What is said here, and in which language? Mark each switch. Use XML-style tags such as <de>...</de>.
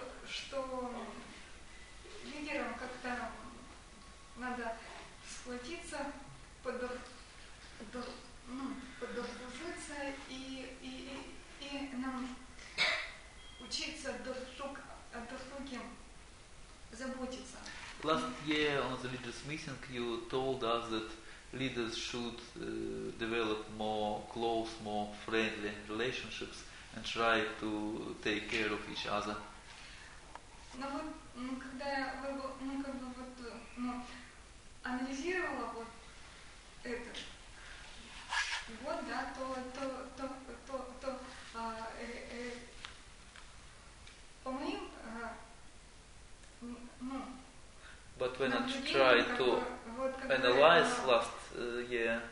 <ru>Что лидерам как-то надо схватиться, подружиться и нам учиться друг заботиться.</ru> <en>Last year on the leaders meeting you told us that leaders should develop more close, more friendly relationships and try to take care of each other.</en> <ru>Но вот, ну, когда я анализировала вот это, вот, да, по моим, ну,</ru> <en>but when I tried to analyze last year,</en>